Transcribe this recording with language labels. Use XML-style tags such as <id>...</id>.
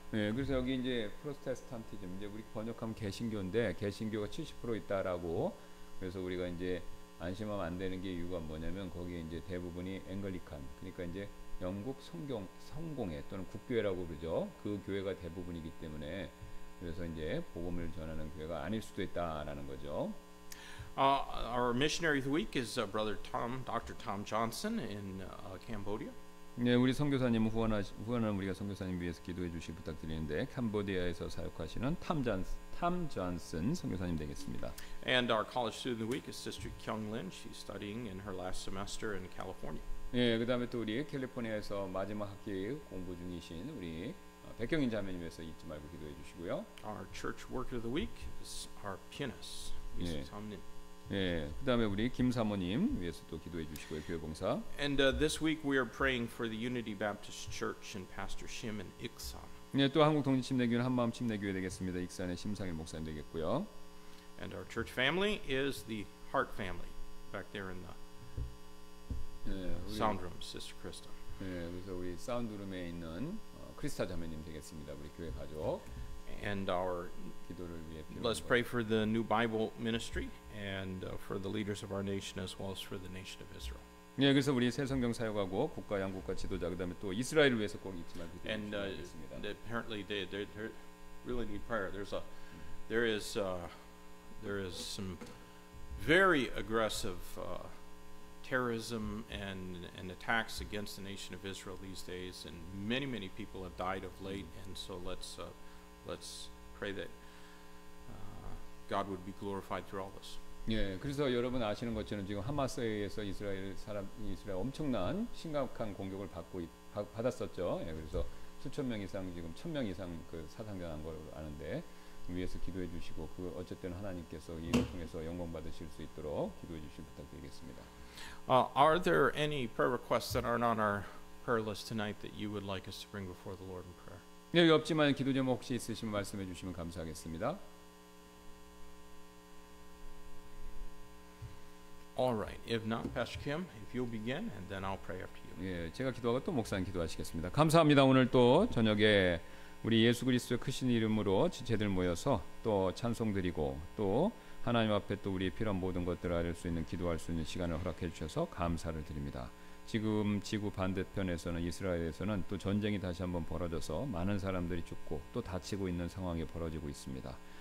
<ko>네, 예, 그래서 여기 이제 프로테스탄티즘 이제 우리 번역하면 개신교인데 개신교가 70% 있다라고 그래서 우리가 이제 안심하면 안 되는 게 이유가 뭐냐면 거기에 이제 대부분이 앵글리칸 그러니까 이제 영국 성공회 또는 국교회라고 그러죠 그 교회가 대부분이기 때문에 그래서 이제 복음을 전하는 교회가 아닐 수도 있다라는 거죠.</ko> <en>Our missionary of the week is Brother Tom, Dr. Tom Johnson in Cambodia.</en> <ko>네, 우리 선교사님 후원하는 우리가 선교사님 위해서 기도해 주시기 부탁드리는데 캄보디아에서 사역하시는 탐 존슨 선교사님 되겠습니다.</ko> <en>And our college student of the week is Sister Kyung Lin. She's studying in her last semester in California.</en> <ko>네, 그다음에 또 우리 캘리포니아에서 마지막 학기 공부 중이신 우리 백경인 자매님 위해서 잊지 말고 기도해 주시고요.</ko> <en>Our church worker of the week is our pianist, Mrs. Hamlin.</en> <ko>예, 그다음에 우리 김 사모님 위해서 또 기도해 주시고요, 교회 봉사.</ko> <en>And this week we are praying for the Unity Baptist Church and Pastor Shim and Iksan.</en> <ko>네, 또 한국 동지 침례교회 한마음 침례교회 되겠습니다. 익산의 심상일 목사님 되겠고요.</ko> <en>And our church family is the Heart family back there in the sound room, Sister Krista.</en> <ko>예, 그래서 우리 사운드 룸에 있는 크리스타 자매님 되겠습니다. 우리 교회 가족.</ko> <en>And our let's pray for the new Bible ministry and for the leaders of our nation as well as for the nation of Israel.</en> <ko>예, 그래서 우리 새 성경 사역하고 국가 양국가 지도자 그다음에 또 이스라엘을 위해서 꼭 잊지 말고 기도하겠습니다.</ko> <en>And apparently they really need prayer. There is some very aggressive terrorism and attacks against the nation of Israel these days, and many people have died of late. And so let's pray that God would be glorified through all this.</en> <ko>예, 그래서 여러분 아시는 것처럼 지금 하마스에서 이스라엘 엄청난 심각한 공격을 받았었죠. 예, 그래서 수천 명 이상 지금 천 명 이상 그 사상자 난 걸 아는데 위에서 기도해 주시고 그 어쨌든 하나님께서 이를 통해서 영광 받으실 수 있도록 기도해 주시기 부탁드리겠습니다.</ko> <en>Are there any prayer requests that aren't on our prayer list tonight that you would like us to bring before the Lord in prayer?</en> <ko>네, 여기 없지만 기도 제목 혹시 있으시면 말씀해 주시면 감사하겠습니다.</ko> <en>All right. If not, Pastor Kim, if you'll begin, and then I'll pray after you.</en> <ko>예, 제가 기도하고 또 목사님 기도하시겠습니다. 감사합니다. 오늘 또 저녁에 우리 예수 그리스도의 크신 이름으로 지체들 모여서 또 찬송드리고 또 하나님 앞에 또 우리의 필요한 모든 것들을 알 수 있는 기도할 수 있는 시간을 허락해 주셔서 감사를 드립니다. 지금 지구 반대편에서는 이스라엘에서는 또 전쟁이 다시 한번 벌어져서 많은 사람들이 죽고 또 다치고 있는 상황이 벌어지고 있습니다.</ko>